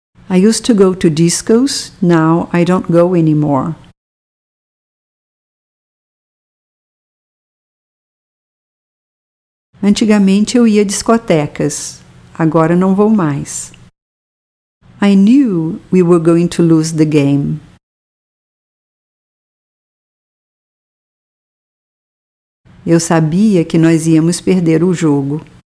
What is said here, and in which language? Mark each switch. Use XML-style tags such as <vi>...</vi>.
<en>I used to go to discos, now I don't go anymore.</en> <pt>Antigamente eu ia a discotecas, agora não vou mais.</pt> <en>I knew we were going to lose the game.</en> <pt>Eu sabia que nós íamos perder o jogo.</pt>